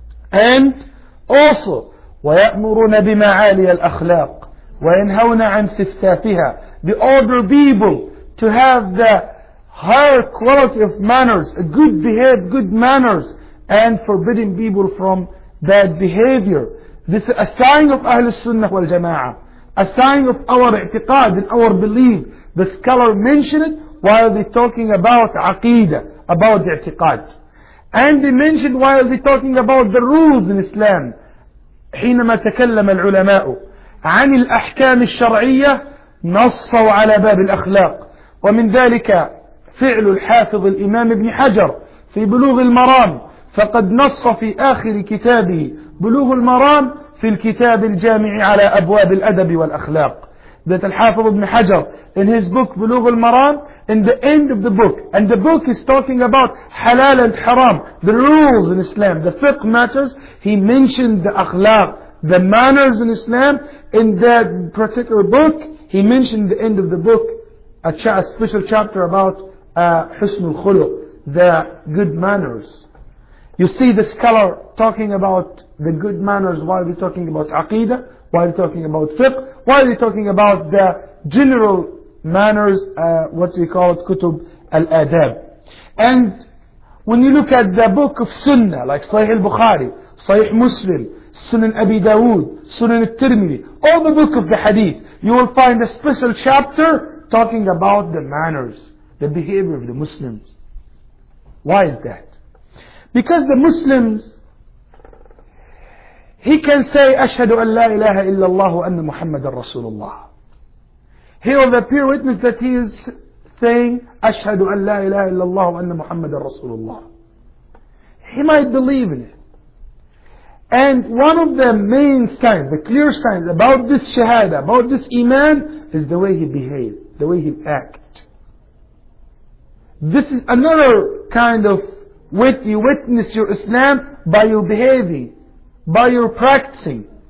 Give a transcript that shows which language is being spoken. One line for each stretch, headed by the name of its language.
English: And also,
Arabic: وَيَأْمُرُونَ بِمَعَالِيَ الْأَخْلَاقِ وَيَنْهَوْنَ عَنْ سِفْسَافِهَا.
English: They order people to have the higher quality of manners, a good behavior, good manners, and forbidding people from bad behavior. This is a sign of Ahl Sunnah wal Jama'ah, a sign of our i'tiqad and our belief. The scholar mentioned it while they're talking about aqidah, about the i'tiqad. And they mentioned while they're talking about the rules in Islam.
Arabic: حينما تكلم العلماء عن الأحكام الشرعية نصوا على باب الأخلاق، ومن ذلك فعل الحافظ الإمام ابن حجر في بلوغ المرام، فقد نص في آخر كتابه بلوغ المرام في الكتاب الجامع على أبواب الأدب والأخلاق. ذات الحافظ ابن حجر
English: in his book بلوغ المرام, in the end of the book, and the book is talking about حلال and حرام, the rules in Islam, the fiqh matters, he mentioned the أخلاق, the manners in Islam. In that particular book, he mentioned the end of the book, a special chapter about حسن الخلق, the good manners. You see the scholar talking about the good manners while we're talking about aqidah, while we're talking about fiqh, while we're talking about the general manners, what we call it, kutub al-adab. And when you look at the book of sunnah, like Sahih al-Bukhari, Sahih Muslim, Sunan Abi Dawood, Sunan al-Tirmidhi, all the book of the hadith, you will find a special chapter talking about the manners, the behavior of the Muslims. Why is that? Because the Muslims, he can say,
Arabic: أَشْهَدُ أَنْ لَا إِلَهَ إِلَّا اللَّهُ أَنَّ مُحَمَّدًا رَسُولُ اللَّهِ.
English: He will appear witness that he is saying,
Arabic: أَشْهَدُ أَنْ لَا إِلَهَ إِلَّا اللَّهُ أَنَّ مُحَمَّدًا رَسُولُ اللَّهِ.
English: He might believe in it. And one of the main signs, the clear signs about this shahada, about this iman, is the way he behaves, the way he acts. This is another kind of way you witness your Islam, by your behaving, by your practicing.